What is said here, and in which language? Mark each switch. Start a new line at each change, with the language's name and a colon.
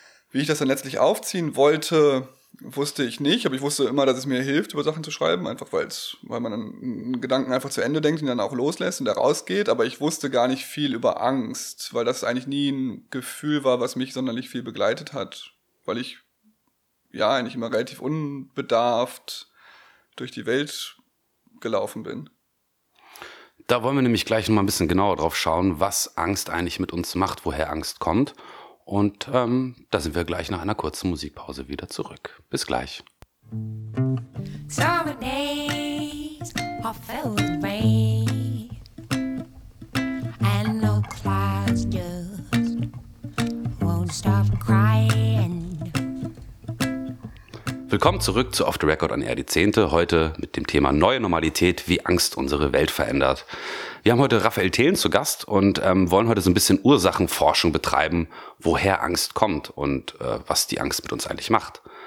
German: Wie ich das dann letztlich aufziehen wollte, wusste ich nicht, aber ich wusste immer, dass es mir hilft, über Sachen zu schreiben, einfach weil man einen Gedanken einfach zu Ende denkt und dann auch loslässt und da rausgeht, aber ich wusste gar nicht viel über Angst, weil das eigentlich nie ein Gefühl war, was mich sonderlich viel begleitet hat, weil ich ja eigentlich immer relativ unbedarft durch die Welt gelaufen bin. Da wollen wir nämlich gleich nochmal ein bisschen genauer drauf schauen, was Angst eigentlich mit uns macht, woher Angst kommt. Und da sind wir gleich nach einer kurzen Musikpause wieder zurück. Bis gleich.
English: Summer days are filled with rain and no clouds just won't stop crying.
German: Willkommen zurück zu Off the Record on Air, die 10. Heute mit dem Thema Neue Normalität, wie Angst unsere Welt verändert. Wir haben heute Raphael Thelen zu Gast und wollen heute so ein bisschen Ursachenforschung betreiben, woher Angst kommt und was die Angst mit uns eigentlich macht.